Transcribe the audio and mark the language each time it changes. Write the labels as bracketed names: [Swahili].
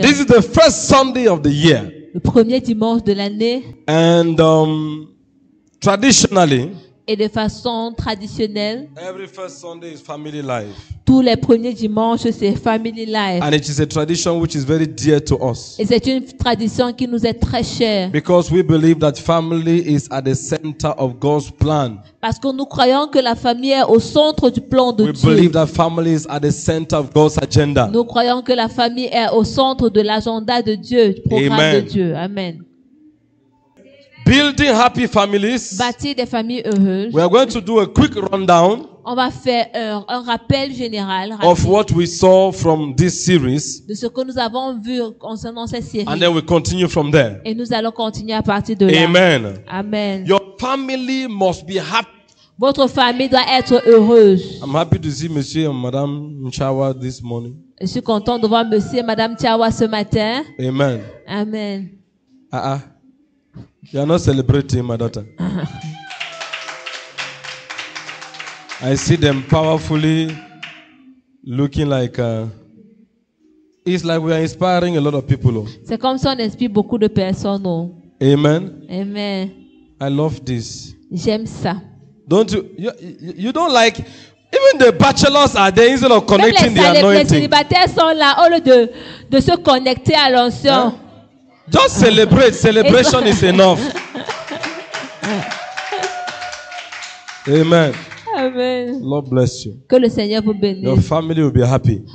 [English] This is the first Sunday of the year. [French] Le premier dimanche de l'année. [English] And traditionally. [French] Et de façon traditionnelle. [English] Every first Sunday is family life. [French] Tous les premiers dimanches c'est [English] family life. And it is a tradition which is very dear to us. [French] Et c'est une tradition qui nous est très chère. [English] Because we believe that family is at the center of God's plan. [French] Parce que nous croyons que la famille est au centre du plan de [English] we [French] Dieu. [English] We believe that family is at the center of God's agenda. [French] Nous croyons que la famille est au centre de l'agenda de Dieu, du programme [English] Amen. [French] De Dieu. Amen. [English] Building happy families. [French] Bâtir des familles heureuses. [English] We are going to do a quick rundown. [French] On va faire un rappel général rapide, [English] of what we saw from this series. [French] De ce que nous avons vu concernant cette série. [English] And then we continue from there. [French] Et nous allons continuer à partir de [English] Amen. [French] Là. Amen. [English] Your family must be happy. [French] Votre famille doit être heureuse. [English] I'm happy to see Monsieur and Madame Nchawa this morning. [French] Je suis content de voir Monsieur et Madame Nchawa ce matin. [English] Amen. Amen. Ah ah. You are not celebrating, my daughter. I see them powerfully looking like it's like we are inspiring a lot of people. [French] C'est comme si on inspire beaucoup de personnes. Oh. [English] Amen. Amen. I love this. [French] J'aime ça. [English] Don't you don't like even the bachelors are there instead of connecting the anointing. [French] Les célibataires sont là au lieu de se connecter à l'onction. Hein? [English] Just celebrate. Celebration is enough. Amen. Amen. Lord bless you. [French] Que le Seigneur vous bénisse. [English] Your family will be happy.